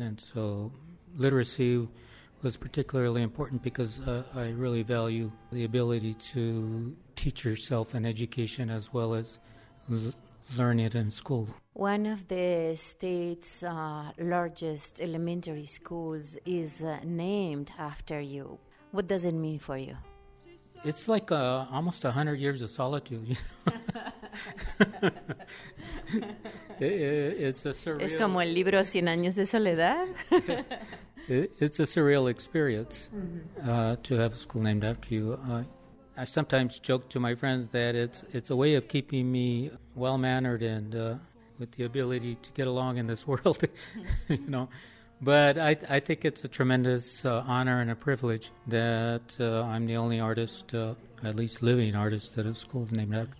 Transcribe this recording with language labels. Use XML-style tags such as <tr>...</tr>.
<en>And so literacy was particularly important because I really value the ability to teach yourself an education as well as learn it in school. One of the state's largest elementary schools is named after you. What does it mean for you? It's like almost 100 years of solitude. It's a surreal.</en> <es>Es como el libro Cien Años de Soledad.</es> <en>It's a surreal experience to have a school named after you. I sometimes joke to my friends that it's a way of keeping me well-mannered and with the ability to get along in this world, you know. But I think it's a tremendous honor and a privilege that I'm the only artist, at least living artist, that a school is named after.</en>